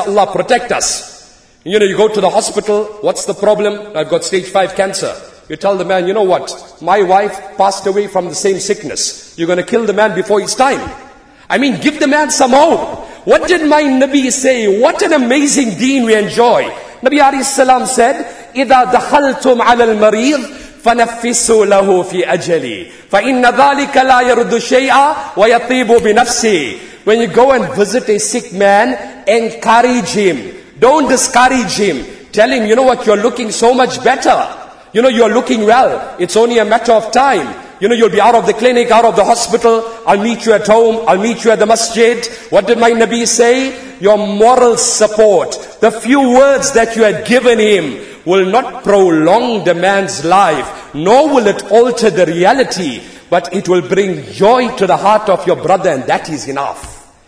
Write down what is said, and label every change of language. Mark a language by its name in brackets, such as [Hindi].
[English] Allah protect us. You know, you go to the hospital. What's the problem? I've got stage 5 cancer. You tell the man, you know what? My wife passed away from the same sickness. You're going to kill the man before his time. I mean, give the man some hope. What did my Nabi say? What an amazing deen we enjoy. Nabi alayhi salam said, [Arabic] إِذَا دَخَلْتُمْ عَلَى الْمَرِيضِ فَنَفِّسُوا لَهُ فِي أَجَلِي فَإِنَّ ذَلِكَ لَا يَرُدُّ شَيْئًا وَيَطِيبُ بِنَفْسِي. [English] When you go and visit a sick man, encourage him. Don't discourage him. Tell him, you know what? You're looking so much better. You know, you're looking well. It's only a matter of time. You know, you'll be out of the clinic, out of the hospital. I'll meet you at home. I'll meet you at the masjid. What did my Nabi say? Your moral support, the few words that you had given him, will not prolong the man's life, nor will it alter the reality, but it will bring joy to the heart of your brother, and that is enough.